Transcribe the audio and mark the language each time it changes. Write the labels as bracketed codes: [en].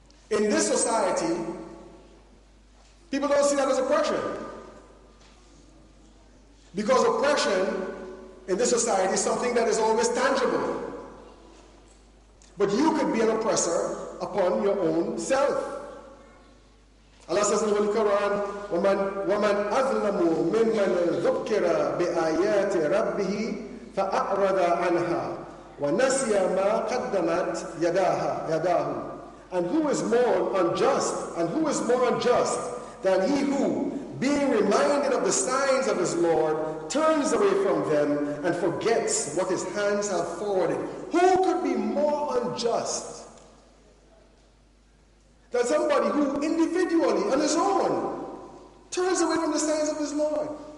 [en] In this society, people don't see that as oppression. Because oppression in this society is something that is always tangible. But you could be an oppressor upon your own self. Allah says in the Holy Quran, [ar] وَمَنْ أَظْلَمُ مِمَّنْ ذُكِّرَ بِآيَاتِ رَبِّهِ فَأَعْرَضَ عَنْهَا وَنَسِيَ مَا قَدَّمَتْ يَدَاهُ. [en] And who is more unjust? And who is more unjust than he who, being reminded of the signs of his Lord, turns away from them and forgets what his hands have forwarded? Who could be more unjust than somebody who individually, on his own, turns away from the signs of his Lord?